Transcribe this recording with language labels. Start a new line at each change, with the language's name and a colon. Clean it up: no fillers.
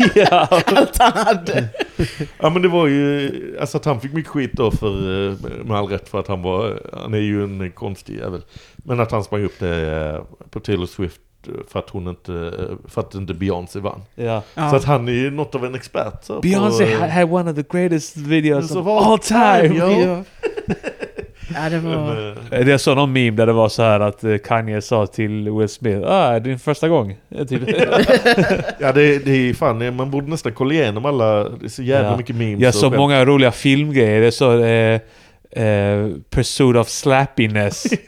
Swedish: Allt han hade. Ja, men det var ju, alltså att han fick mycket skit då för, med all rätt, för att han är ju en konstig jävel. Men att han sprang upp det på Taylor Swift för att inte Beyoncé vann.
English: Yeah.
Swedish: Så att han är ju något av en expert.
English: Beyoncé had one of the greatest videos of all time.
Swedish: Ja, det var... Det är så någon meme där det var så här att Kanye sa till Will Smith, är det din första gång? Ja, det är fan, man borde nästan kolla igenom alla, det är så jävla mycket memes. Ja, så och många roliga filmgrejer. Det är så... Pursuit of Slappiness.